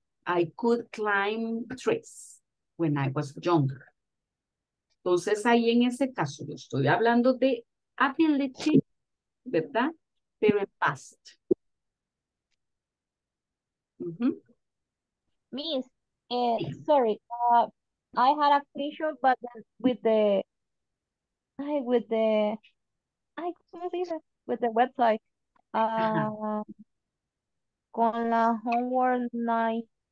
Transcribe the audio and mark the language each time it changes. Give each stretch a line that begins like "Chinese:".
English: I could climb trees when I was younger.
Spanish: Entonces, ahí en ese caso, yo estoy hablando de ability, ¿verdad? Pero en past.
English: Miss, sorry, I had a question, but with the, I couldn't see that, with the website,
Spanish: con la
English: homework 9.